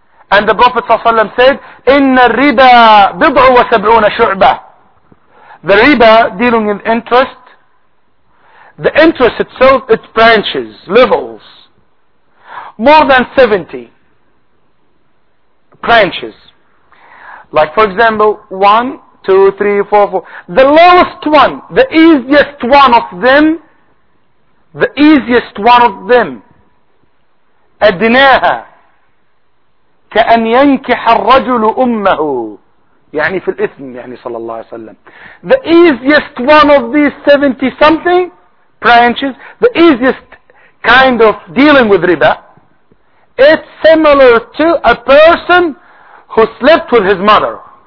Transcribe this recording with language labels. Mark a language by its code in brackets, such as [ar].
[en] And the Prophet ﷺ said, [ar] "Inna riba bid'u wa sab'una shu'ba." [en] The riba, dealing in interest, the interest itself, its branches, levels, more than 70 branches. Like for example, 1, 2, 3, 4, 4. The lowest one, the easiest one of them, [ar] the easiest one of them, أدناها كأن ينكح الرجل أمه يعني في الإثم يعني صلى الله عليه وسلم. [en] The easiest one of these 70 something branches, the easiest kind of dealing with riba, it's similar to a person who slept with his mother.